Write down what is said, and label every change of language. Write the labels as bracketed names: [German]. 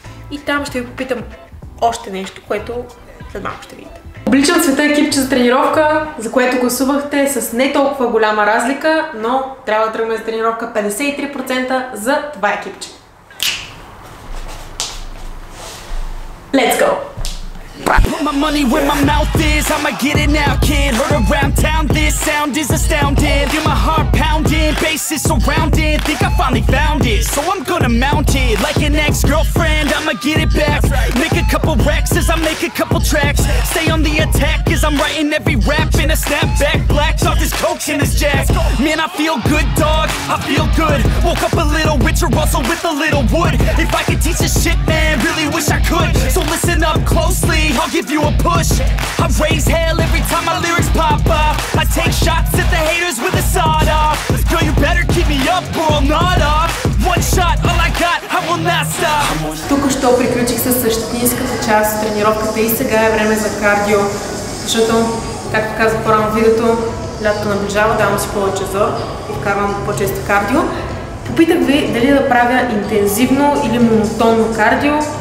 [Bulgarian] И там ще ви попитам още нещо, което след малко ще видите. Обличам света екипче за тренировка, за което гласувахте с не толкова голяма разлика, но трябва да тръгваме за тренировка 53% за това екипче. [English] Let's go! Put my money where my mouth is, I'ma get it now, kid. Heard around town, this sound is astounding. Feel my heart pounding, bass is surrounding. Think I finally found it, so I'm gonna mount it. Like an ex-girlfriend, I'ma get it back. Make a couple racks as I make a couple tracks. Stay on the attack as I'm writing every rap. In a snapback, black talk is coke in this jack. Man, I feel good, dog, I feel good. Woke up a little richer, also with a little wood. If I could teach this shit, man, really wish I could. So listen up closely, I'll give you a push. I raise hell every time my lyrics pop off. I take shots at the haters with a sawed off. Girl, you better keep me up or I'll nod off. One shot, all I got, I will not stop. [Bulgarian] Току-що приключих със същинската част от тренировката и сега е време за кардио. Защото, както казах по-рано в видеото, лято наближава, давам си повече зор и вкарвам по-често кардио. Попитах ви дали да правя интензивно или монотонно кардио.